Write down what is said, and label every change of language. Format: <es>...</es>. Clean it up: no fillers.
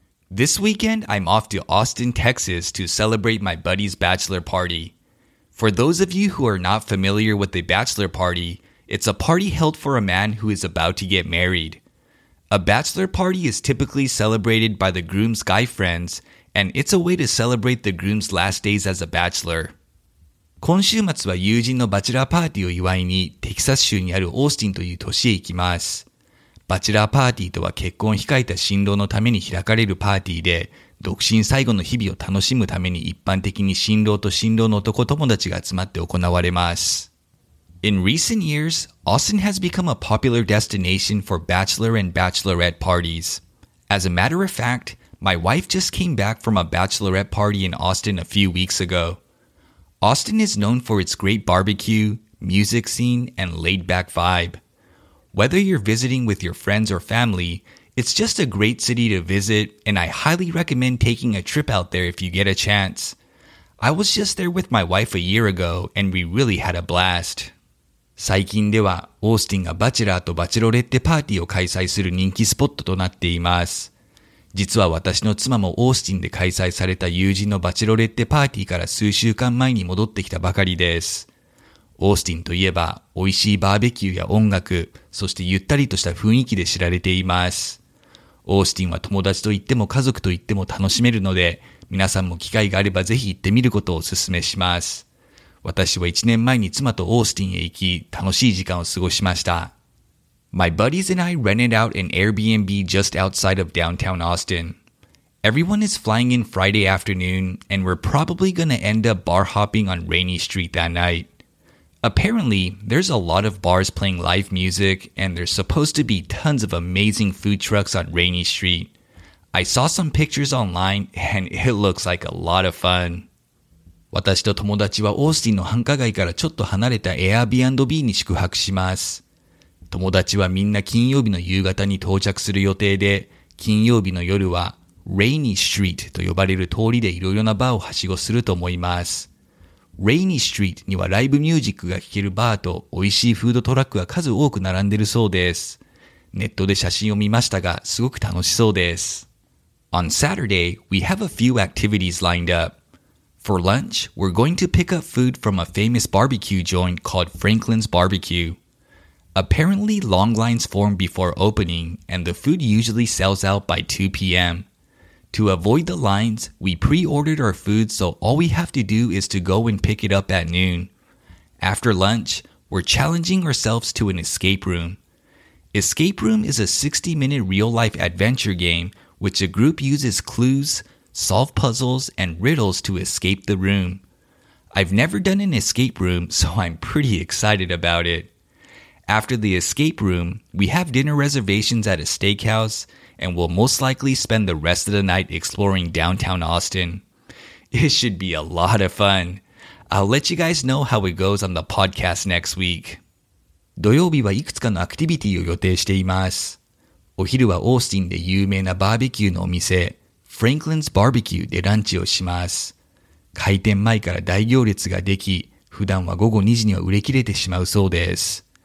<en>This weekend, I'm off to Austin, Texas to celebrate my buddy's bachelor party. For those of you who are not familiar with a bachelor party, it's a party held for a man who is about to get married. A bachelor party is typically celebrated by the groom's guy friends, and it's a way to celebrate the groom's last days as a bachelor.</en> <ja>今週末は友人のバチェラーパーティーを祝いにテキサス州にあるオースティンという都市へ行きます。バチェラーパーティーとは結婚を控えた新郎のために開かれるパーティーで、独身最後の日々を楽しむために一般的に新郎と新郎の男友達が集まって行われます。</ja> <en>In recent years, Austin has become a popular destination for bachelor and bachelorette parties. As a matter of fact, my wife just came back from a bachelorette party in Austin a few weeks ago. Austin is known for its great barbecue, music scene, and laid-back vibe. Whether you're visiting with your friends or family, it's just a great city to visit, and I highly recommend taking a trip out there if you get a chance. I was just there with my wife a year ago, and we really had a blast.</en> <ja>最近では、オースティンがバチェラーとバチェロレッテパーティーを開催する人気スポットとなっています。実は私の妻もオースティンで開催された友人のバチェロレッテパーティーから数週間前に戻ってきたばかりです。オースティンといえば、美味しいバーベキューや音楽、そしてゆったりとした雰囲気で知られています。オースティンは友達と行っても家族と行っても楽しめるので、皆さんも機会があればぜひ行ってみることをお勧めします。私は1年前に妻とオースティンへ行き、楽しい時間を過ごしました。</ja> <en>My buddies and I rented out an Airbnb just outside of downtown Austin. Everyone is flying in Friday afternoon, and we're probably gonna end up bar hopping on Rainy Street that night. Apparently, there's a lot of bars playing live music, and there's supposed to be tons of amazing food trucks on Rainy Street. I saw some pictures online, and it looks like a lot of fun.</en> <ja>私と友達はオースティンの繁華街からちょっと離れた Airbnb に宿泊します。友達はみんな金曜日の夕方に到着する予定で、金曜日の夜は Rainy Street と呼ばれる通りでいろいろなバーをはしごすると思います。 Rainy Street にはライブミュージックが聴けるバーと美味しいフードトラックが数多く並んでるそうです。ネットで写真を見ましたが、すごく楽しそうです。</ja> <en>On Saturday, we have a few activities lined up. For lunch, we're going to pick up food from a famous barbecue joint called Franklin's Barbecue. Apparently, long lines form before opening, and the food usually sells out by 2 p.m. To avoid the lines, we pre-ordered our food, so all we have to do is to go and pick it up at noon. After lunch, we're challenging ourselves to an escape room. Escape room is a 60-minute real-life adventure game which a group uses clues, solve puzzles, and riddles to escape the room. I've never done an escape room, so I'm pretty excited about it. After the escape room, we have dinner reservations at a steakhouse,and we'll most likely spend the rest of the night exploring downtown Austin. It should be a lot of fun. I'll let you guys know how it goes on the podcast next week.</en> <ja>土曜日はいくつかのアクティビティを予定しています。お昼はオースティンで有名なバーベキューのお店、Franklin's Barbecue でランチをします。開店前から大行列ができ、普段は午後2時には売れ切れてしまうそうです。</ja>